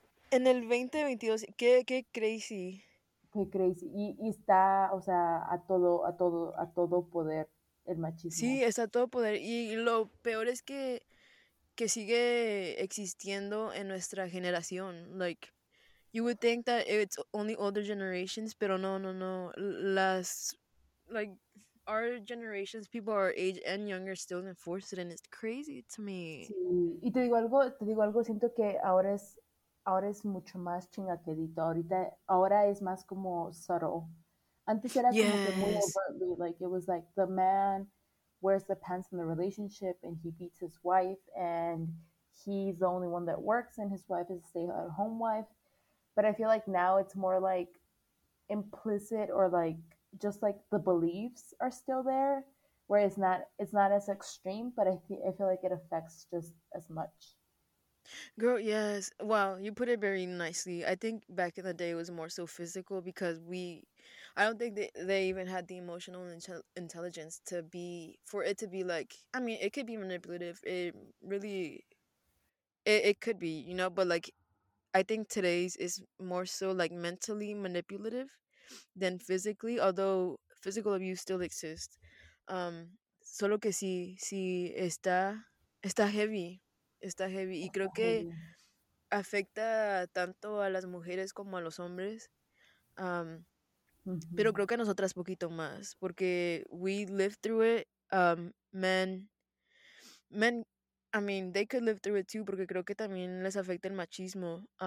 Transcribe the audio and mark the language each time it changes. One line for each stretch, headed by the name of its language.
Spanish: En el 2022, qué crazy. Qué crazy. Y está, o sea, a todo poder el machismo. Sí, está a todo poder. Y lo peor es que sigue existiendo en nuestra generación.
English: Like, you would think that it's only older generations,
Spanish: pero no.
English: Las, like, our generations, people our age and younger still enforce it, and it's crazy to me.
Spanish: Sí, y te digo algo, siento que ahora es mucho más chingaquedito. Ahora es más como subtle. Antes era como que muy overtly,
English: like it was like the man wears the pants in the relationship, and he beats his wife, and he's the only one that works, and his wife is a stay-at-home wife. But I feel like now it's more like implicit, or like just like the beliefs are still there, where it's not as extreme, but I feel like it affects just as much. Girl, yes. Wow, you put it very nicely. I think back in the day it was more so physical, because I don't think they even had the emotional intelligence to be, for it to be like, I mean, it could be manipulative. It could be, you know, but like, I think today's is more so like mentally manipulative than physically, although physical abuse still exists.
Spanish: Solo que si está heavy. Está heavy, y creo que afecta tanto a las mujeres como a los hombres. Pero creo que a nosotras poquito más, porque
English: we live through it. Men, I mean, they could live through it too,
Spanish: porque creo que también les afecta el machismo.